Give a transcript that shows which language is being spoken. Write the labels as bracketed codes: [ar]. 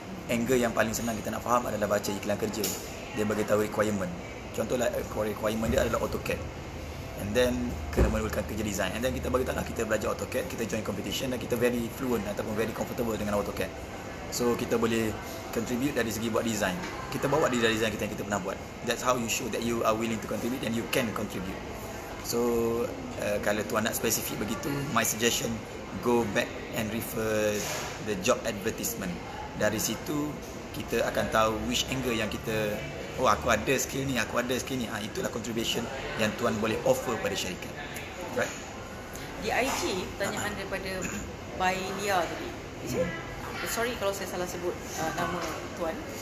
[ms] Angle yang paling senang kita nak faham adalah baca iklan kerja. Dia beritahu requirement. Contohlah requirement dia adalah AutoCAD. And then kena menulis kerja design. And then kita beritahu lah, kita belajar AutoCAD, kita join competition dan kita [en] very fluent [ms] ataupun [en] very comfortable [ms] dengan AutoCAD. So kita boleh contribute dari segi buat design. Kita bawa dia dari design kita yang kita pernah buat. [en] That's how you show that you are willing to contribute and you can contribute. [ms] So kalau tuan nak specific begitu, [en] my suggestion, go back and refer the job advertisement. [ms] Dari situ kita akan tahu [en] which angle [ms] yang kita, oh aku ada skill ni, aku ada skill ni. Ah, itulah contribution yang tuan boleh offer pada syarikat. [en] Right? [ms] Di IG, pertanyaan daripada Bailia tadi. Sorry kalau saya salah sebut nama tuan.